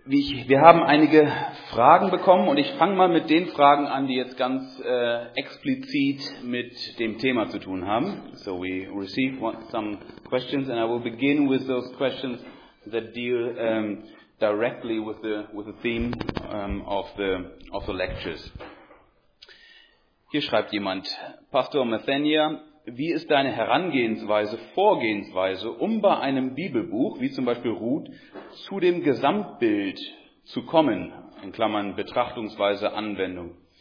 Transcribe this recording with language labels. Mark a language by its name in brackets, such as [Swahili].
[German] Wir haben einige Fragen bekommen und ich fange mal mit den Fragen an, die jetzt ganz explizit mit dem Thema zu tun haben. [English] So we received some questions and I will begin with those questions that deal directly with the theme of the lectures. [German] Hier schreibt jemand, Pastor Mathenia, wie ist deine Vorgehensweise, um bei einem Bibelbuch, wie zum Beispiel Ruth, zu dem Gesamtbild zu kommen, in Klammern betrachtungsweise Anwendung?